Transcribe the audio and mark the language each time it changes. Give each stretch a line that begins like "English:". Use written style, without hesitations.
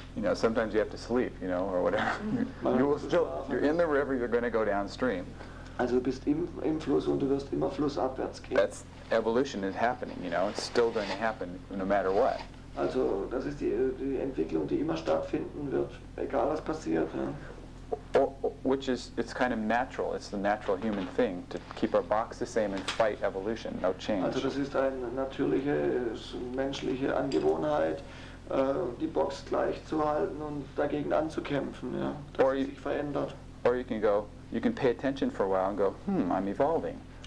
English: You know, sometimes you have to sleep, you know, or whatever. You will still, you're in the river, you're going to go downstream.
German: Also du bist im Fluss und du wirst immer flussabwärts gehen.
English: That's evolution is happening, you know, it's still going to happen no matter what.
German: Also das ist die Entwicklung, die immer stattfinden wird, egal was passiert. Ja.
English: It's kind of natural, it's the natural human thing to keep our box the same and fight evolution, no change.
German: Also das ist eine natürliche, menschliche Angewohnheit, die Box gleich zu halten und dagegen anzukämpfen, ja, dass sie sich verändert.
English: Or you can go, you can pay attention for a while and go, I'm evolving.